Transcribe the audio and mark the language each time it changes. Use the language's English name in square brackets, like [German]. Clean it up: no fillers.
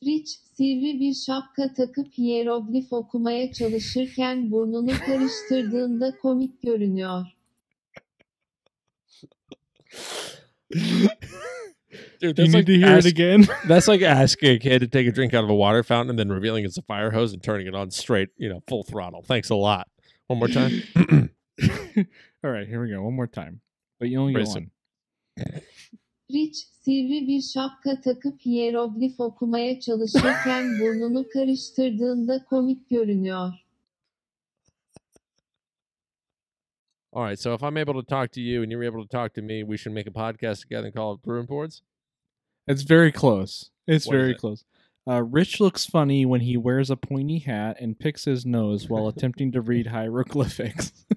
[Turkish] Rich, sivri bir şapka takıp hieroglif okumaya çalışırken burnunu karıştırdığında komik görünüyor. [English] Dude, you need like to hear it again. That's like asking a kid to take a drink out of a water fountain and then revealing it's a fire hose and turning it on straight, you know, full throttle. Thanks a lot. One more time. All right, here we go. One more time. But you only get one. [Turkish] Rich, sivri bir şapka takıp hieroglif okumaya çalışırken burnunu karıştırdığında komik görünüyor. [English] All right, so if I'm able to talk to you and you're able to talk to me, we should make a podcast together and call it Brew and Boards? It's very close. It's very close. Rich looks funny when he wears a pointy hat and picks his nose while attempting to read hieroglyphics.